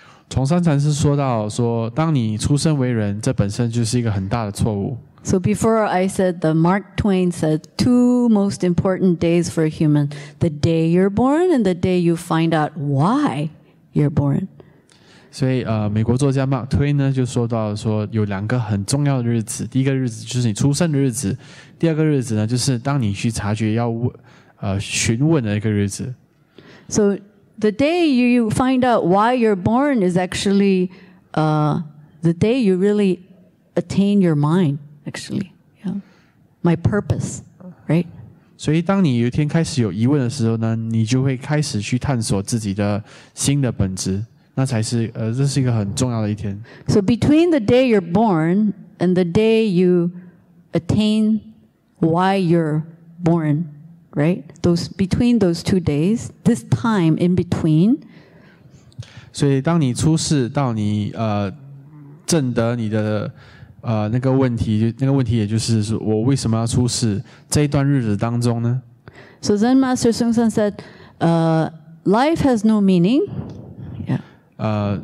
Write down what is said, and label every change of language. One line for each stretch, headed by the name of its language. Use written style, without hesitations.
Chinese: 从三禅师说到说，当你出生为人，这本身就是一个很大的错误。
English: So before I said the Mark Twain said two most important days for a human, the day you're born and the day you find out why you're born.
Chinese: 所以美国作家 Mark Twain 呢就说到说有两个很重要的日子，第一个日子就是你出生的日子，第二个日子呢就是当你去察觉要询问的一个日子。
English: So the day you find out why you're born is actually the day you really attain your mind. Actually, yeah. My purpose, right?
Chinese: 所以当你有一天开始有疑问的时候呢，你就会开始去探索自己的新的本质，那才是这是一个很重要的一天。
English: So between the day you're born and the day you attain why you're born, right? Between those two days, this time in between.
Chinese: 所以当你出世到你证得你的那个问题也就是我为什么要出世这一段日子当中呢
English: So Zen Master Sungsan said, life has no meaning. Yeah.